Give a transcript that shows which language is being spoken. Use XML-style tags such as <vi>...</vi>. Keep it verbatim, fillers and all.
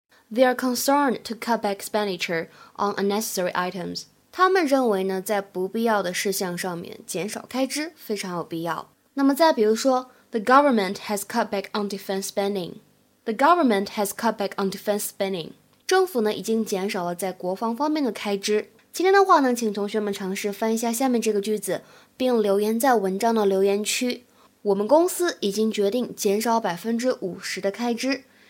<en>They are concerned to cut back expenditure on unnecessary items.</en> <zh>他们认为呢，在不必要的事项上面减少开支非常有必要。那么再比如说</zh> <en>，The government has cut back on defense spending. The government has cut back on defense spending.</en> <zh>政府呢已经减少了在国防方面的开支。今天的话呢，请同学们尝试翻一下下面这个句子，并留言在文章的留言区。我们公司已经决定减少 百分之五十 的开支。</zh>